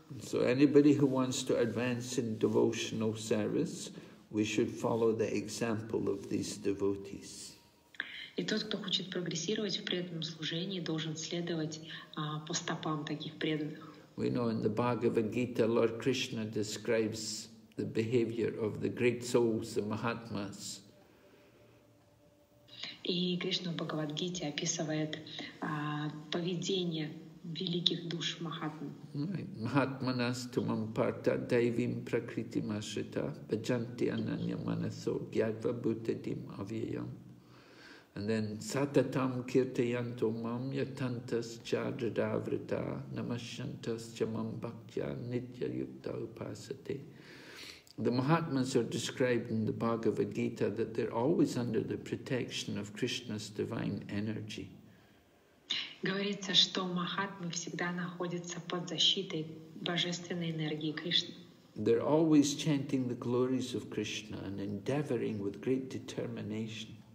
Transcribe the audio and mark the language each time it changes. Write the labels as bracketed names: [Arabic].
[English] So anybody who wants to advance in devotional service, we should follow the example of these devotees. [Russian] И тот, кто хочет прогрессировать в преданном служении, должен следовать по стопам таких преданных. [English] We know in the Bhagavad Gita, Lord Krishna describes the behavior of the great souls, the Mahatmas. [Russian] И Кришна в Бхагавад-гите описывает поведение великих душ Махатм. [Sanskrit] Махатманас тумам парта дайвим пракритим ашрита баджанти ананья манасо гьядва бутадим авьяям. [English] And then [Sanskrit] сататам киртаянто мам ятантас чадрадаврита намашьянтас чамам бхактя нитья юкта упасате. [English] The Mahatmas are described in the Bhagavad Gita that they're always under the protection of Krishna's divine energy. [Russian] Говорится, что Махатмы всегда находятся под защитой божественной энергии Кришны. [English] They're always chanting the glories of Krishna and endeavoring with great determination.